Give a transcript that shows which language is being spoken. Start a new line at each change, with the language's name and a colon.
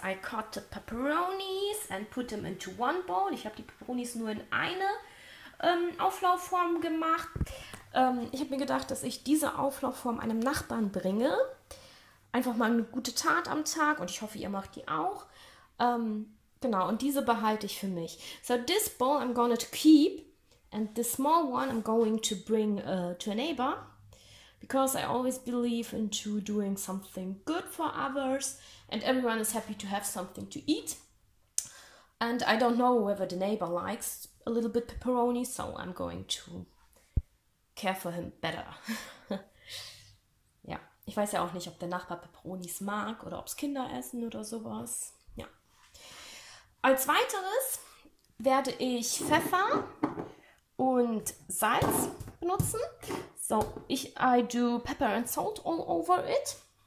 English: I cut the pepperonis and put them into one bowl.
German: Ich habe die Pepperonis nur in eine Auflaufform gemacht. Ich habe mir gedacht, dass ich diese Auflaufform einem Nachbarn bringe. Einfach mal eine gute Tat am Tag und ich hoffe, ihr macht die auch. Genau, und diese behalte ich für mich.
English: So this bowl I'm gonna keep and this small one I'm going to bring to a neighbor. Because I always believe into doing something good for others and everyone is happy to have something to eat. And I don't know whether the neighbor likes a little bit pepperoni, so I'm going to care for him better.
German: Ja, ich weiß ja auch nicht, ob der Nachbar Pepperonis mag oder ob es Kinder essen oder sowas. Ja. Als weiteres werde ich Pfeffer und Salz benutzen.
English: So, I do pepper and salt all over it.